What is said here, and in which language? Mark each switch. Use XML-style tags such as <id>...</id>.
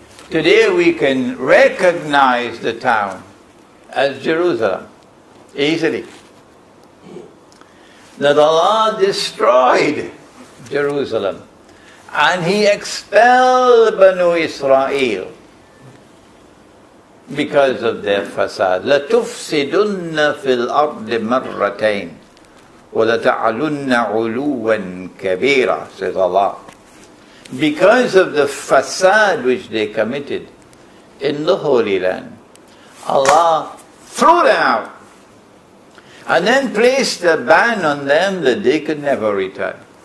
<en>Today we can recognize the town as Jerusalem easily. That Allah destroyed Jerusalem and He expelled Banu Israel because of their facade.</en> <ar>لَتُفْسِدُنَّ فِي الْأَرْضِ مَرَّتَيْنِ وَلَتَعْلُنَّ عُلُوًّا كَبِيرًا</ar> <en>says Allah. Because of the facade which they committed in the Holy Land, Allah threw them out and then placed a ban on them that they could never return.</en>